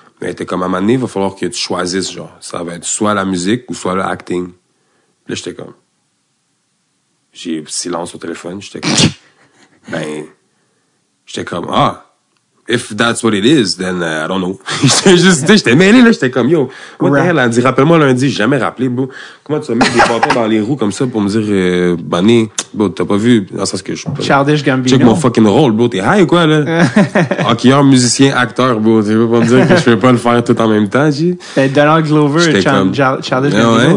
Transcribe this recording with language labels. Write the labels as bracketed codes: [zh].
[fr] Mais elle était comme, à un moment donné, il va falloir que tu choisisses, genre, ça va être soit la musique ou soit le acting. Là, j'étais comme, j'ai silence au téléphone, j'étais comme, ben, j'étais comme, ah! [en] If that's what it is, then I don't know. [fr] J'étais juste, j'étais mêlé, là. J'étais comme, [en] yo, what the hell? [fr] Elle dit, rappelle-moi lundi, j'ai jamais rappelé, bro. Comment tu vas mettre des bâtons dans les roues comme ça pour me dire, banné, bro, t'as pas vu, dans le sens que je suis pas. [en] Childish Gambino. [fr] Check mon fucking role, bro. T'es high ou quoi, là? Hockeyeur, musicien, acteur, bro. Tu veux pas me dire que je peux pas le faire tout en même temps, j'ai. [en] Donald Glover, Childish Gambino.